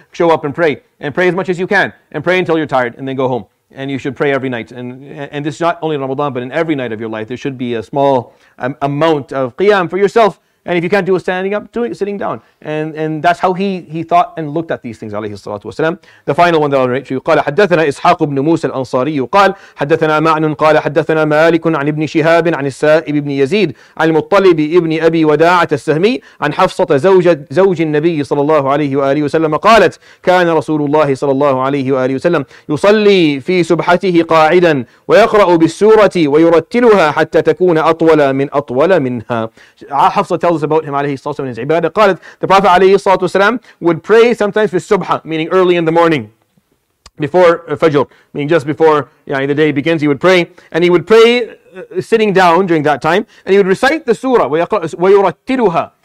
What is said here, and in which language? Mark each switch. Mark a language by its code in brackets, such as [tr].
[en] Show up and pray as much as you can, and pray until you're tired, and then go home. And you should pray every night. And this is not only in Ramadan, but in every night of your life, there should be a small amount of qiyam for yourself. And if you can't do it standing up, do it sitting down. And that's how he thought and looked at these things, alayhi salatu wasalam. The final one that I'll narrate for you, [ar] قال حدثنا إسحاق بن موسى الأنصاري قال حدثنا معن قال حدثنا مالك عن ابن شهاب عن السائب بن يزيد عن المطلب ابن أبي وداعة السهمي عن حفصة زوج النبي صلى الله عليه وآله وسلم قالت كان رسول الله صلى الله عليه وآله وسلم يصلي في سبحته قاعدا ويقرأ بالسورة ويرتلها حتى تكون أطول من أطول منها. [en] حفصة tells us about him alayhi salatu and his ibadah. Qalat, the Prophet alayhi salatu wasalam would pray sometimes for subha, meaning early in the morning, before fajr, meaning just before the day begins, he would pray. And he would pray sitting down during that time, and he would recite the surah, وَيُرَتِّلُهَا.